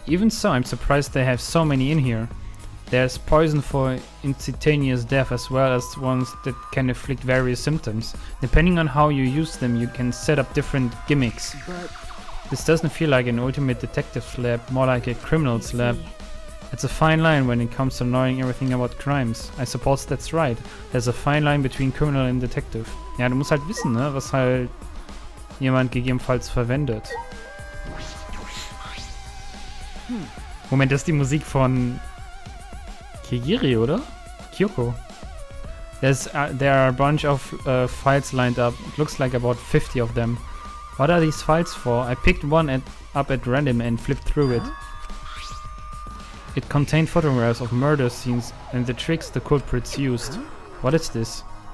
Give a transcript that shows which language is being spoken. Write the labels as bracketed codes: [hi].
[en] Even so, I'm surprised they have so many in here. There's poison for instantaneous death as well as ones that can afflict various symptoms. Depending on how you use them, you can set up different gimmicks. But this doesn't feel like an ultimate detective's lab, more like a criminal's lab. It's a fine line when it comes to knowing everything about crimes. I suppose that's right. There's a fine line between criminal and detective. [de] Ja, du musst halt wissen, ne, was halt jemand gegebenenfalls verwendet. Moment, das ist die Musik von Kigiri, oder? [en] Kyoko. There are a bunch of files lined up. It looks like about 50 of them. What are these files for? I picked one up at random and flipped through it. It contained photographs of murder scenes and the tricks the culprits used. What is this?